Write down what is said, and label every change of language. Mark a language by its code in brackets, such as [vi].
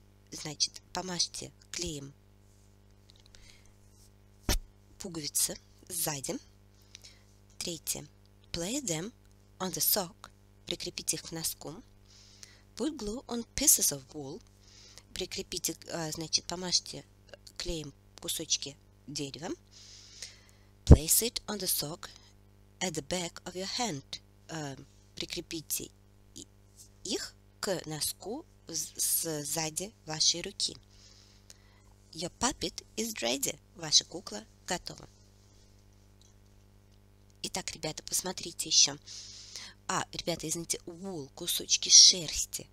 [ru] Значит, помажьте клеем пуговицы сзади. Третье. [en] Play them on the sock. [ru] Прикрепите их к носку. [en] Put glue on pieces of wool. [ru] Прикрепите, значит, помажьте клеем кусочки дерева. [en] Place it on the sock at the back of your hand. [ru] Прикрепите их к носку сзади вашей руки. [en] Your puppet is ready. [ru] Ваша кукла готова. Итак, ребята, посмотрите еще. А, ребята, извините, wool, кусочки шерсти.